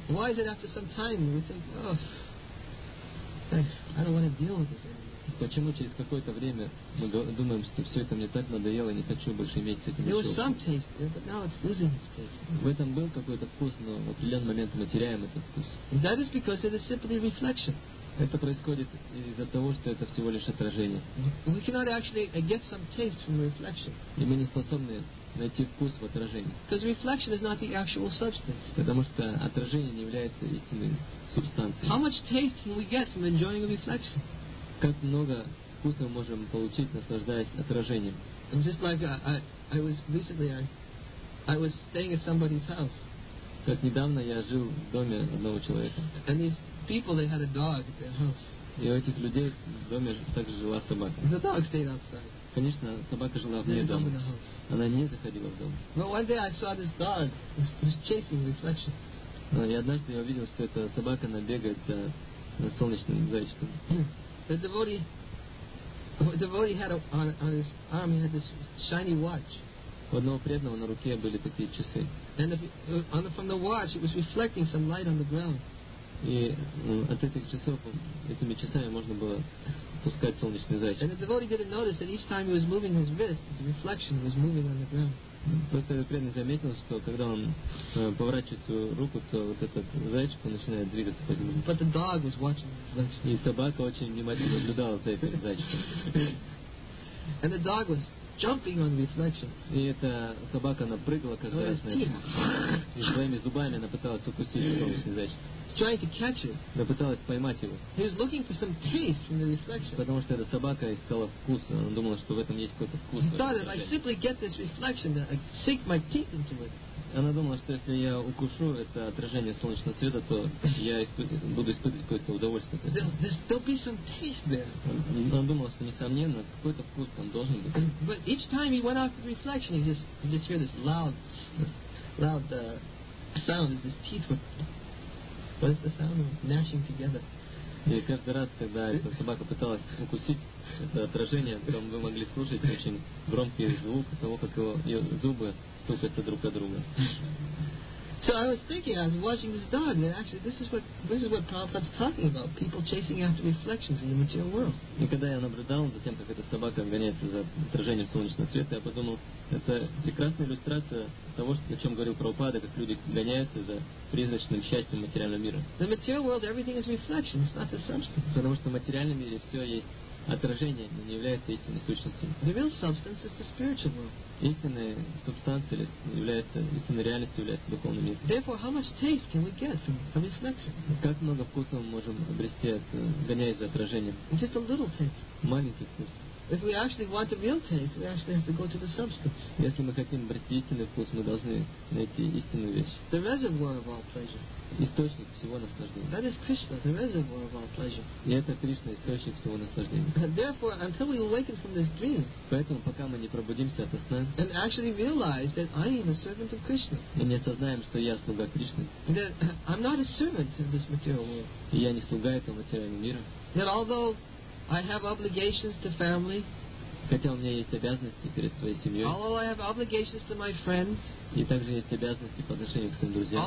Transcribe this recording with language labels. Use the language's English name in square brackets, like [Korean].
[English] Why is it after some time we think, oh, I don't want to deal with it. [Russian] Почему через какое-то время мы думаем, что все это мне так надоело, не хочу больше иметь с этим вкусом? В этом был какой-то вкус, но в определенный момент мы теряем этот вкус. [English] And that is because it is simply reflection. [Russian] Это происходит из-за того, что это всего лишь отражение. [English] We cannot actually get some taste from reflection. [Russian] И мы не способны найти вкус в отражении. [English] Because reflection is not the actual substance. [Russian] Потому что отражение не является истинной субстанцией. [English] How much taste can we get from enjoying a reflection? [Russian] Как много вкуса мы можем получить, наслаждаясь отражением? [English] I'm just like I was recently I was staying at somebody's house. [Russian] Как недавно я жил в доме одного человека. [English] And these people, they had a dog at their house. [Russian] И у этих людей в доме также жила собака. [English] The dog stayed outside. [Russian] Конечно, собака жила вне дома. Она не заходила в дом. [English] But one day I saw this dog was chasing reflection. [Russian] И однажды я увидел, что эта собака набегает за солнечным зайчиком. [English] The devotee had on his arm, he had this shiny watch. [Russian] У одного преданного на руке были такие часы. [English] And from the watch, it was reflecting some light on the ground. [Russian] И от этих часов, этими часами можно было пускать солнечный зайчик. [English] And the devotee didn't notice that each time he was moving his wrist, the reflection was moving on the ground. [Russian] Просто этот преданный заметил, что когда он поворачивает свою руку, то вот этот зайчик начинает двигаться по земле. [English] But the dog was watching the reflection. [Russian] И собака очень внимательно наблюдала за этим зайчиком. [English] And the dog was jumping on the reflection. [Russian] И эта собака напрыгала каждый раз на это. И своими зубами она пыталась укусить солнечный зайчик. [English] Trying to catch it. [Russian] Она пыталась поймать его. [English] He was looking for some taste from the reflection. [Russian] Потому что эта собака искала вкус. Она думала, что в этом есть какой-то вкус. [English] He thought, if I simply get this reflection, then I sink my teeth into it. [Russian] Она думала, что если я укушу это отражение солнечного света, то я буду испытывать какое-то удовольствие. [English] There'll be some taste there. [Russian] Она думала, что несомненно какой-то вкус там должен быть. [English] But each time he went after the reflection, he just heard this loud sound as his teeth were. What is the sound of gnashing together? [Russian] И каждый раз, когда эта собака пыталась укусить это отражение, там вы могли слушать очень громкий звук того, как ее зубы стукаются друг о друга. [English] So I was thinking, I was watching this dog, and actually this is what Prabhupada's talking about, people chasing after reflections in the material world. [Russian] И когда я наблюдал за тем, как эта собака гоняется за отражением солнечного света, я подумал, это прекрасная иллюстрация того, о чем говорил Прабхупада, как люди гоняются за призрачным счастьем материального мира. [English] The material world, everything is reflection, it's not the substance. [Russian] Потому что в материальном мире все есть отражение, но не является истинной сущностью. [English] The real substance is the spiritual world. [Russian] Истинная субстанция является, истинной реальностью является духовный мир. [English] Therefore, how much taste can we get from reflection? [Russian] Как много вкуса мы можем обрести, гоняясь за отражением? [English] Just a little taste. [Russian] Маленький вкус. [English] If we actually want a real taste, we actually have to go to the substance. [Russian] Если мы хотим обрести истинный вкус, мы должны найти истинную вещь. [English] The reservoir of all pleasure. [Russian] Источник всего наслаждения. [English] That is Krishna, the reservoir of all pleasure. [Russian] И это Кришна, источник всего наслаждения. [English] And therefore, until we awaken from this dream, [Russian] поэтому пока мы не пробудимся ото сна, [English] and actually realize that I am a servant of Krishna, [Russian] и не осознаем, что я слуга Кришны, [English] that I'm not a servant of this material world, [Russian] и я не слуга этого материального мира, [English] that although I have obligations to family, [Russian] хотя у меня есть обязанности перед своей семьей, [English] although I have obligations to my friends, [Russian] и также есть обязанности по отношению к своим друзьям,